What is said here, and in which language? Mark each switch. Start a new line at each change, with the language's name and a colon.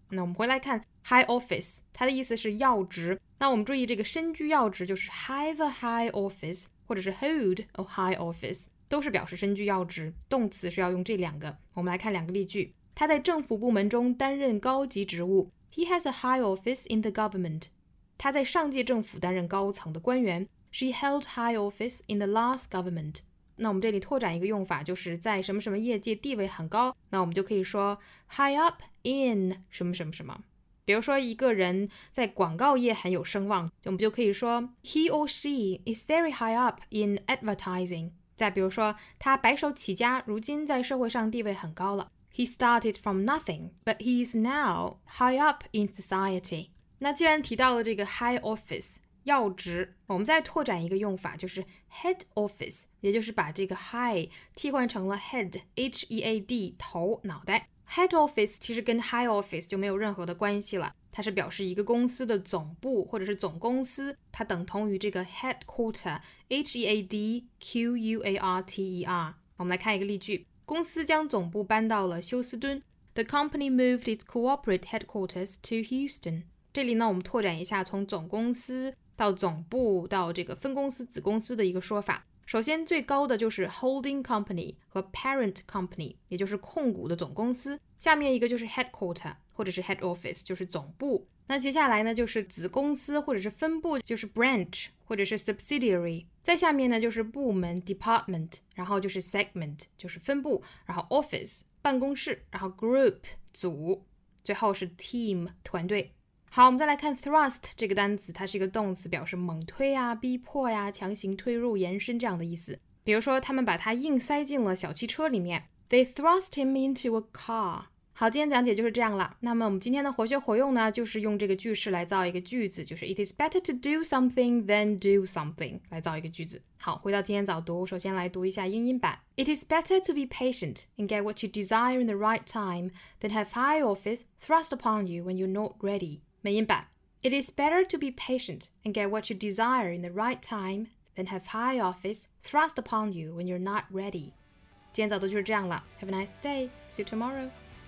Chinese: 那我们回来看 high office, 它的意思是要职。那我们注意这个身居要职就是
English: have a high office
Chinese: 或者是
English: hold a high office,
Chinese: 都是表示身居要职，动词是要用这两个。我们来看两个例句，他在政府部门中担任高级职务。
English: He has a high office in the government.
Chinese: 他在上届政府担任高层的官员。
English: She held high office in the last government.
Chinese: 那我们这里拓展一个用法，就是在什么什么业界地位很高，那我们就可以说
English: high up in
Chinese: 什么什么什么。比如说一个人在广告业很有声望，我们就可以说
English: He or she is very high up in advertising.
Chinese: 再比如说他白手起家，如今在社会上地位很高了。
English: He started from nothing, but he is now high up in society.
Chinese: 那既然提到了这个 high office, 要职，我们再拓展一个用法，就是 head office, 也就是把这个 high 替换成了 head, H-E-A-D, 头脑袋。 head office 其实跟 high office 就没有任何的关系了，它是表示一个公司的总部或者是总公司，它等同于这个 headquarter, H-E-A-D-Q-U-A-R-T-E-R。我们来看一个例句，公司将总部搬到了休斯敦。
English: The company moved its corporate headquarters to Houston.
Chinese: 这里呢我们拓展一下从总公司到总部到这个分公司子公司的一个说法。首先最高的就是 holding company 和 parent company, 也就是控股的总公司。下面一个就是 headquarter, 或者是 head office, 就是总部。那接下来呢就是子公司或者是分部，就是 branch, 或者是 subsidiary。再下面呢就是部门 department, 然后就是 segment, 就是分部，然后 office, 办公室，然后 group, 组，最后是 team, 团队。好，我们再来看 thrust 这个单词，它是一个动词，表示猛推啊、逼迫呀、啊、强行推入、延伸这样的意思。比如说他们把它硬塞进了小汽车里面，
English: They thrust him into a car.
Chinese: 好，今天讲解就是这样了。那么我们今天的活学活用呢，就是用这个句式来造一个句子，就是
English: It is better to do something
Chinese: than do something, 来造一个句子。好，回到今天早读，首先来读一下英音版。
English: It is better to be patient and get what you desire in the right time than have high office thrust upon you when you're not ready. 美音版， It is better to be patient and get what you desire in the right time than have high office thrust upon you when you're not ready.
Chinese: 今天早读就是这样了。
English: Have a nice day. See you tomorrow.